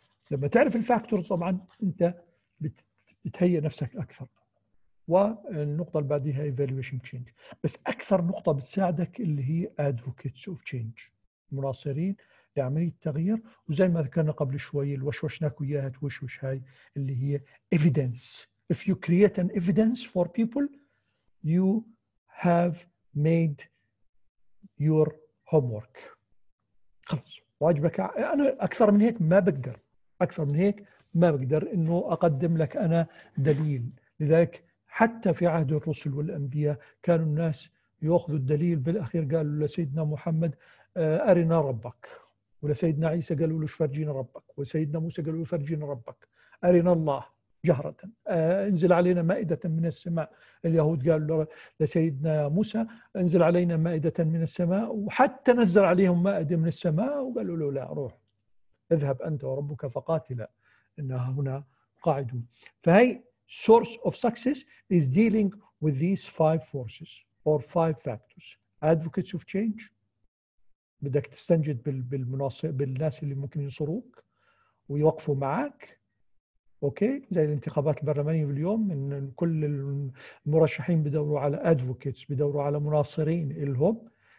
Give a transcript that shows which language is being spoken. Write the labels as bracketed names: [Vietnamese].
[Arabic] لما تعرف الفاكتور طبعا انت بتهيئ نفسك اكثر. والنقطة اللي بعديها [English] evaluation change، [Arabic] بس أكثر نقطة بتساعدك اللي هي [English] advocates of change، [Arabic] مناصرين لعملية التغيير. وزي ما ذكرنا قبل شوي الوشوشناك وياها توشوش، هاي اللي هي evidence. [English] If you create an evidence for people you have made your homework. [Arabic] خلص واجبك، أنا أكثر من هيك ما بقدر، أكثر من هيك ما بقدر إنه أقدم لك أنا دليل. لذلك حتى في عهد الرسل والأنبياء كانوا الناس يأخذوا الدليل، بالأخير قالوا لسيدنا محمد أرنا ربك، ولسيدنا عيسى قالوا له فرجينا ربك، وسيدنا موسى قالوا له فرجينا ربك، أرنا الله جهرة، انزل علينا مائدة من السماء. اليهود قالوا لسيدنا موسى انزل علينا مائدة من السماء، وحتى نزل عليهم مائدة من السماء وقالوا له لا روح اذهب أنت وربك فقاتلا إنها هنا قاعدوا. فهي [English] source of success is dealing with these five forces or five factors. Advocates of change, [Arabic] بدك تستنجد بالمناصب بالناس اللي ممكن ينصروك ويوقفوا معك. اوكي، زي الانتخابات البرلمانية اليوم، ان كل المرشحين بدوروا على advocates، بدوروا على مناصرين لهم.